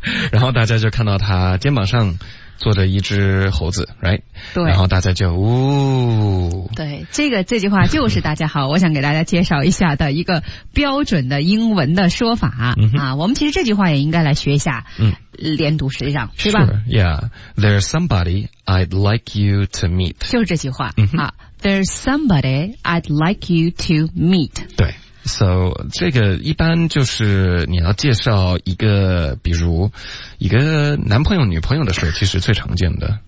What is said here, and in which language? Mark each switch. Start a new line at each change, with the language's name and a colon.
Chinese: 然后大家就看到他肩膀上。坐着一只猴子 ，right？对，然后大家就呜。对，这句话就是大家好，我想给大家介绍一下的一个标准的英文的说法啊。我们其实这句话也应该来学一下，连读实际上，对吧
English: ？Yeah，there's somebody I'd like you to meet。
Chinese: 就是这句话啊
English: ，there's somebody I'd like you to meet。
Chinese: 对。 So, 这个一般就是你要介绍一个比如一个男朋友女朋友的事其实最常见的。